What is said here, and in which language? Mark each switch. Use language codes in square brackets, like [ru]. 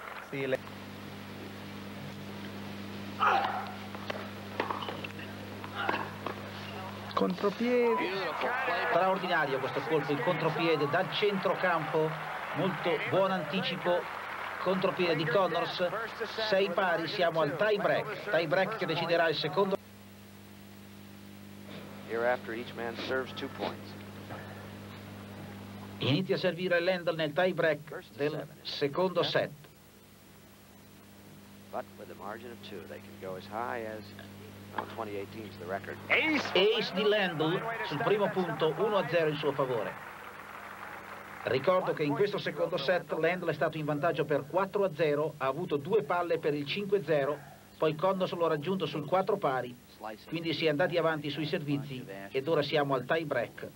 [it] Sì, contropiede. Straordinario questo colpo, il contropiede dal centrocampo. Molto buon anticipo. Contropiede di Connors. 6 pari, siamo al tie break. Tie break che deciderà il secondo. [en] Hereafter each man serves 2 points. [it] Inizia a servire Lendl nel tie break del secondo set. [en] But with a margin of two, they can go as high as 28 teams, the record. [it] Ace di Lendl sul primo punto, 1-0 in suo favore. Ricordo che in questo secondo set Lendl è stato in vantaggio per 4-0, ha avuto due palle per il 5-0, poi Condos l'ha raggiunto sul 4 pari, quindi si è andati avanti sui servizi ed ora siamo al tie break.